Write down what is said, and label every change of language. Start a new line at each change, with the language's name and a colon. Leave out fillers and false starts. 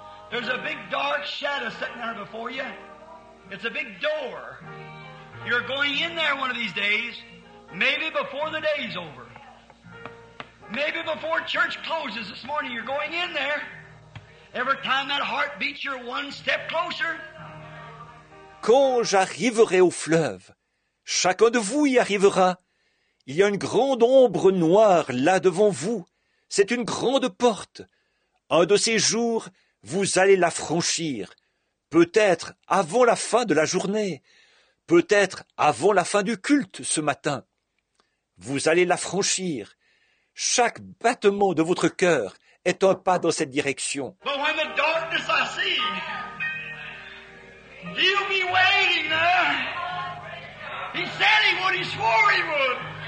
English: There's a big dark shadow sitting there before you. It's a big door. You're going in there one of these days, maybe before the day's over. Maybe before church closes this morning, you're going in there. Every time that heart beats, you're one step closer.
French: Quand j'arriverai au fleuve, chacun de vous y arrivera. Il y a une grande ombre noire là devant vous. C'est une grande porte. Un de ces jours, vous allez la franchir. Peut-être avant la fin de la journée. Peut-être avant la fin du culte ce matin. Vous allez la franchir. Chaque battement de votre cœur est un pas dans cette direction.
English: But when the darkness I see, he'll be waiting there. He said he would, he swore he would.